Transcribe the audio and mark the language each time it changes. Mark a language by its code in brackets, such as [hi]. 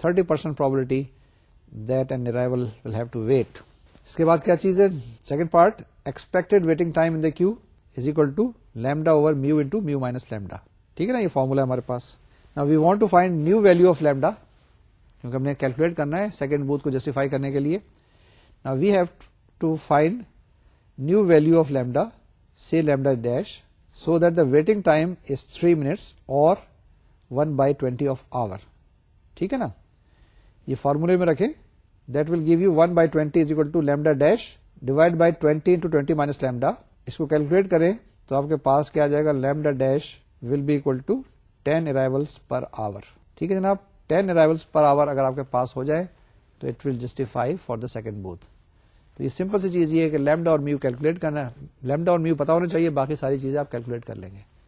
[en] 30% probability that an arrival will have to wait. [ur] اس کے بعد کیا چیز ہے, [en] Second part, expected waiting time in the queue is equal to lambda over mu into mu minus lambda. [ur] ٹھیک ہے نا, یہ فارمولا ہمارے پاس. [en] Now we want to find new value of lambda, [ur] کیونکہ ہم نے کیلکولیٹ کرنا ہے سیکنڈ بوتھ کو جسٹیفائی کرنے کے لیے. [en] Now we have to find new value of lambda, say lambda dash, so that the waiting time is 3 minutes or 1 by 20 of hour. [ur] ٹھیک ہے نا, یہ فارمولے میں رکھیں. [en] That will give you 1 by 20 is equal to lambda dash divided by 20 into 20 minus lambda. [ur] اس کو calculate کریں تو آپ کے پاس کیا جائے گا, [en] Lambda dash will be equal to 10 arrivals per hour. [ur] ٹھیک ہے جناب, 10 ارائیولس پر آور اگر آپ کے پاس ہو جائے تو [en] It will justify for the second booth. [ur] تو یہ سمپل سی چیز یہ ہے کہ لیمڈا اور میو کیلکولیٹ کرنا, لیمڈا اور میو پتا ہونا چاہیے, باقی ساری چیزیں آپ کیلکولیٹ کر لیں گے.